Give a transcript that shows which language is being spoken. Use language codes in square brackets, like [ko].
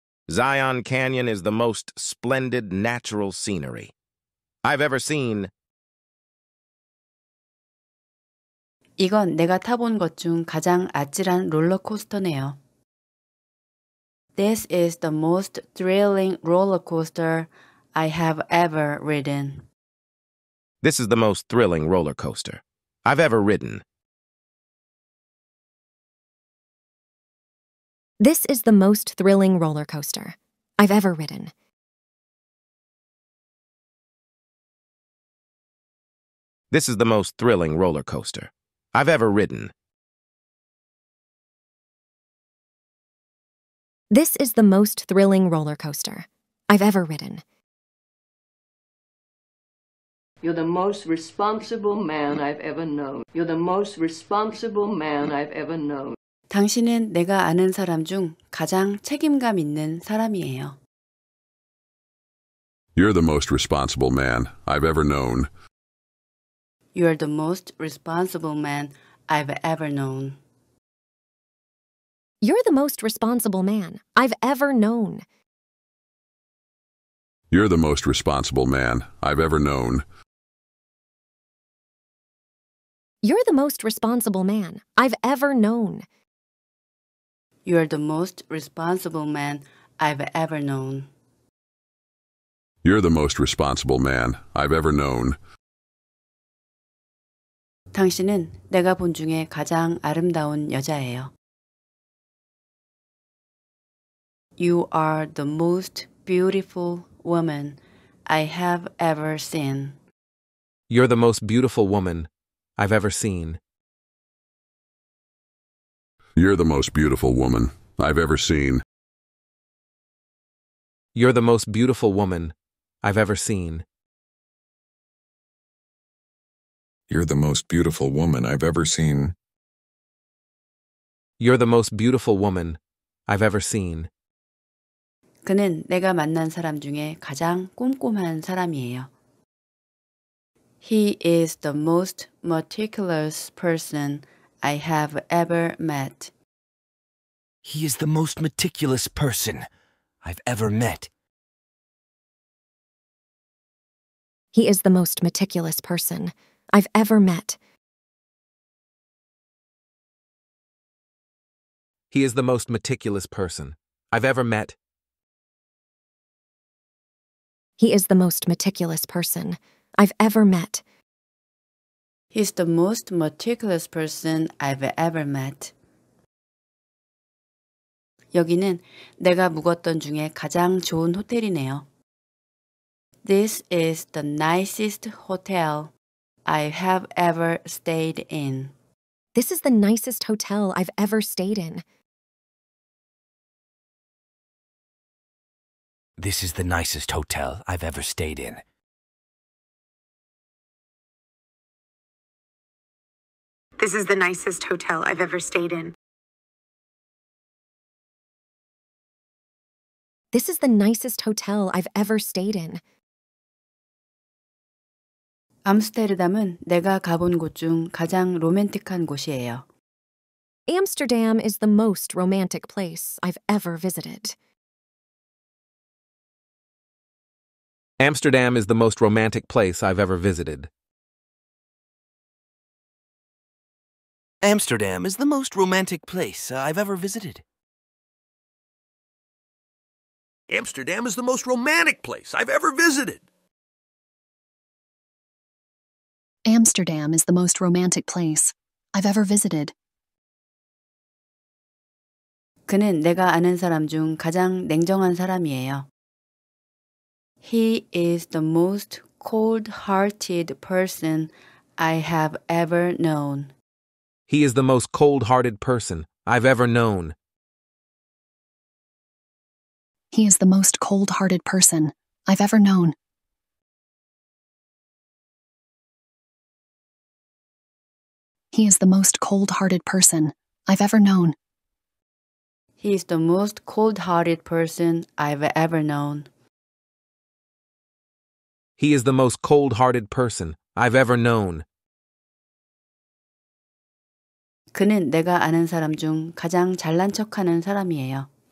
[en] Zion Canyon is the most splendid natural scenery I've ever seen. [ko] 이건 내가 타본 것 중 가장 아찔한 롤러코스터네요. [en] This is the most thrilling roller coaster I have ever ridden. This is the most thrilling roller coaster I've ever ridden. This is the most thrilling roller coaster I've ever ridden. This is the most thrilling roller coaster I've ever ridden. This is the most thrilling roller coaster I've ever ridden. You're the most responsible man I've ever known. You're the most responsible man I've ever known. [ko] 당신은 내가 아는 사람 중 가장 책임감 있는 사람이에요. [en] You're the most responsible man I've ever known. You're the most responsible man I've ever known. You're the most responsible man I've ever known. You're the most responsible man I've ever known. You're the most responsible man I've ever known. You're the most responsible man I've ever known. You're the most responsible man I've ever known. [ko] 당신은 내가 본 중에 가장 아름다운 여자예요. [en] You are the most beautiful woman I have ever seen. You're the most beautiful woman I've ever seen. You're the most beautiful woman I've ever seen. You're the most beautiful woman I've ever seen. You're the most beautiful woman I've ever seen. You're the most beautiful woman I've ever seen. [ko] 그는 내가 만난 사람 중에 가장 꼼꼼한 사람이에요. [en] He is the most meticulous person I have ever met. He is the most meticulous person I've ever met. He is the most meticulous person I've ever met. He is the most meticulous person I've ever met. He is the most meticulous person I've ever met. He's the most meticulous person I've ever met. [ko] 여기는 내가 묵었던 중에 가장 좋은 호텔이네요. [en] This is the nicest hotel I have ever stayed in. This is the nicest hotel I've ever stayed in. This is the nicest hotel I've ever stayed in. This is the nicest hotel I've ever stayed in. This is the nicest hotel I've ever stayed in. [ko] 암스테르담은 내가 가본 곳 중 가장 로맨틱한 곳이에요. [en] Amsterdam is the most romantic place I've ever visited. Amsterdam is the most romantic place I've ever visited. Amsterdam is the most romantic place I've ever visited. Amsterdam is the most romantic place I've ever visited. Amsterdam is the most romantic place I've ever visited. [ko] 그는 내가 아는 사람 중 가장 냉정한 사람이에요. [en] He is the most cold-hearted person I have ever known. He is the most cold-hearted person I've ever known. He is the most cold-hearted person I've ever known. He is the most cold-hearted person I've ever known. He is the most cold-hearted person I've ever known. He is the most cold-hearted person I've ever known. [ko] 그는 내가 아는 사람 중 가장 잘난 척하는 사람이에요.